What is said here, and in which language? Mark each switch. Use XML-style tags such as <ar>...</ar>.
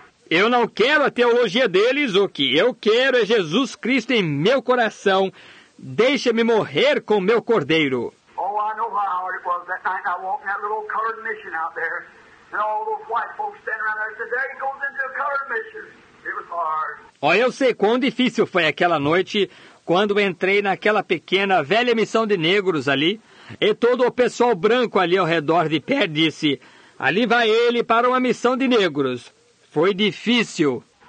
<pt>Eu não quero a teologia deles, o que eu quero é Jesus Cristo em meu coração. Deixa-me morrer com meu cordeiro.</pt> <en>Oh, I know how hard it was that night. I walked in that little colored mission out there. And all those white folks standing around there said, there he goes into a colored mission. It was hard.</en> <pt>Oh, eu sei quão difícil foi aquela noite quando entrei naquela pequena velha missão de negros ali. E todo o pessoal branco ali ao redor de pé disse, ali vai ele para uma missão de negros. Foi difícil.</pt>